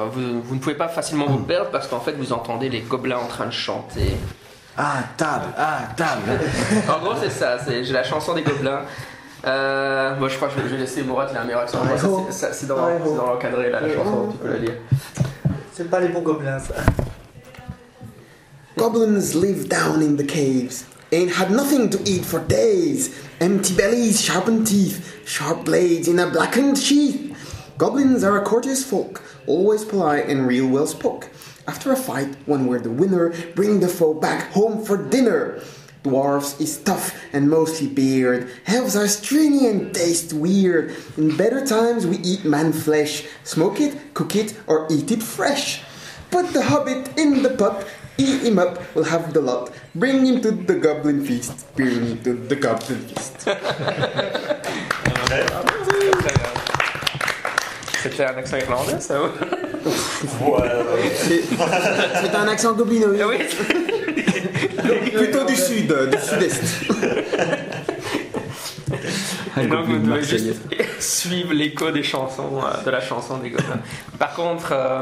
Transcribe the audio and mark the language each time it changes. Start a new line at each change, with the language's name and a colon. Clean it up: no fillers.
French: Vous ne pouvez pas facilement vous perdre parce qu'en fait vous entendez les gobelins en train de chanter. Ah table. En gros c'est ça. J'ai la chanson des gobelins. Moi je crois que je vais laisser Mourad la meilleure action. C'est dans l'encadré là. La chanson, tu peux la lire. C'est pas les bons gobelins ça.
English: Goblins live down in the caves, ain't had nothing to eat for days. Empty bellies, sharpened teeth, sharp blades in a blackened sheath. Goblins are a courteous folk, always polite and real well spoke. After a fight, when we're the winner, bring the foe back home for dinner. Dwarves is tough and mostly beard. Elves are stringy and taste weird. In better times, we eat man flesh, smoke it, cook it, or eat it fresh. Put the hobbit in the pub. Eat him up, we'll have the lot. Bring him to the goblin feast. Bring him to the goblin feast.
French: C'était un accent irlandais, ça. C'est un accent goblinoïde. Oui. Donc plutôt du sud, du sud-est. Donc vous devez juste suivre l'écho des chansons, de la chanson des gobelins. Par contre.